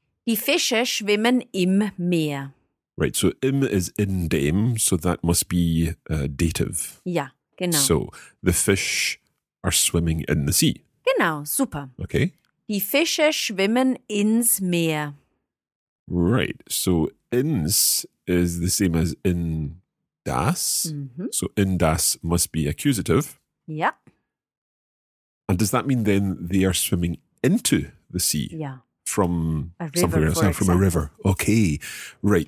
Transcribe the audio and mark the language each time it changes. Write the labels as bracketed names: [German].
[German] Die Fische schwimmen im Meer. [English] Right, so im is in dem, so that must be dative. [German] Ja, genau. [English] So the fish are swimming in the sea. [German] Genau, super. [English] Okay. [German] Die Fische schwimmen ins Meer. [English] Right, so ins is the same as in das. Mm-hmm. So in das must be accusative. [German] Ja. [English] And does that mean then they are swimming into the sea? [German] Ja. [English] From somewhere else, from a river. Okay, right.